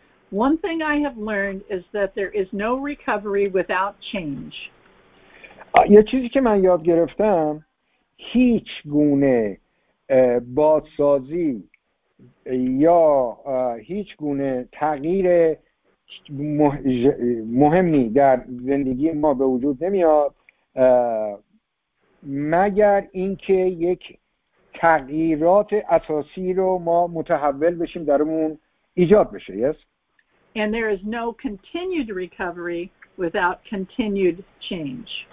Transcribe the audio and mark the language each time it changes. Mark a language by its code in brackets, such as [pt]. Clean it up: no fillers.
[en] One thing I have learned is that there is no recovery without change. [fa] یه چیزی که من یاد گرفتم هیچ گونه بازسازی یا هیچ گونه تغییر مهمی در زندگی ما به وجود نمیاد مگر اینکه یک تغییرات اساسی رو ما متحول بشیم درمون ایجاد بشه. [en] Yes. And there is no continued recovery without continued change.